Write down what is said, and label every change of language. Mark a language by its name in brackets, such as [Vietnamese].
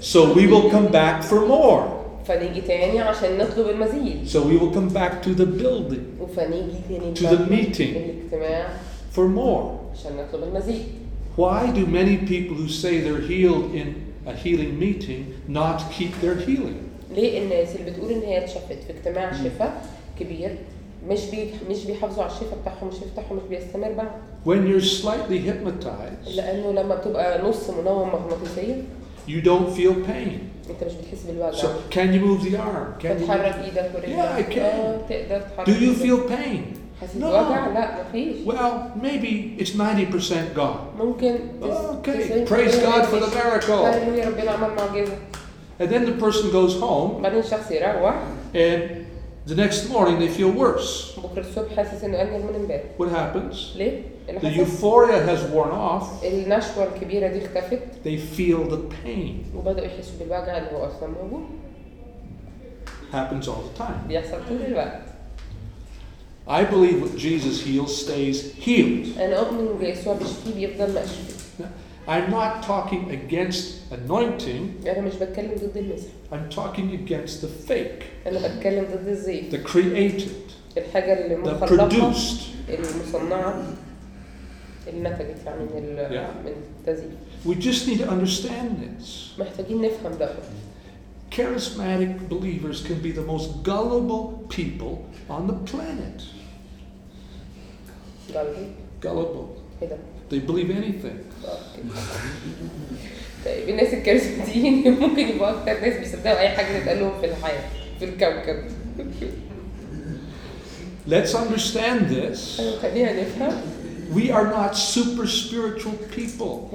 [English] So we will come back for more. [Arabic] فنيجي تاني عشان نطلب المزيد. [English] So we will come back to the building. [Arabic] وفنيجي تاني. [English] To the meeting. [Arabic] الاجتماع. [English] For more. [Arabic] عشان نطلب المزيد. [English] Why do many people who say they're healed in a healing meeting not keep their healing? [Arabic] ليه الناس اللي بتقول إن هي اتشفت في اجتماع شفاء كبير مش بيحافظوا على الشفاء بتاعهم مش بيفتحوا مش بيستمر بعد. [English] When you're slightly hypnotized, [Arabic] لأنه لما تبقى نص منوم مغمضتي, [English] you don't feel pain. [Arabic] أنت مش بتحس بالوجع. [English] So can you move the arm? Can you [Arabic] تتحرك إيدك ورجلك؟ [English] Yeah, I can. [Arabic] تقدر تتحرك. [English] Do you feel pain? [Arabic] حسيت بالوجع؟ لا مفيش. [English] Well, maybe it's 90% gone. [Arabic] ممكن. [English] Okay. Praise God for the miracle. [Arabic] هللويا ربنا عمل معجزة. [English] And then the person goes home. [Arabic] بعدين الشخص يروح. [English] And the next morning they feel worse. [Arabic] بكرة الصبح حاسس إنه أنا من بعد. [English] What happens? [Arabic] ليه؟ [English] The euphoria has worn off. [Arabic] النشوة الكبيرة دي اختفت. [English] They feel the pain. [Arabic] وبدأوا يحسوا بالوجع اللي هو أصلاً موجود. [English] Happens all the time. [Arabic] بيحصل طول الوقت. [English] I believe what Jesus heals stays healed. [Arabic] أنا أؤمن إن يسوع بيشفي بيفضل مشفي. [English] I'm not talking against anointing. [Arabic] أنا مش بتكلم ضد المسح. [English] I'm talking against the fake. [Arabic] أنا بتكلم ضد الزيف. [English] The created. [Arabic] الحاجة اللي مخلقة. [English] The produced. [Arabic] المصنعة. النتجت عن من التزييف. [English] We just need to understand this. [Arabic] محتاجين نفهم ده. [English] Charismatic believers can be the most gullible people on the planet. Gullible. They believe anything. [Arabic] طيب الناس الكارثيين ممكن يبقوا أكثر ناس بيصدقوا أي حاجة تتقال لهم في الحياة في الكوكب. [English] Let's understand this. [Arabic] خلينا نفهم. [English] We are not super spiritual people.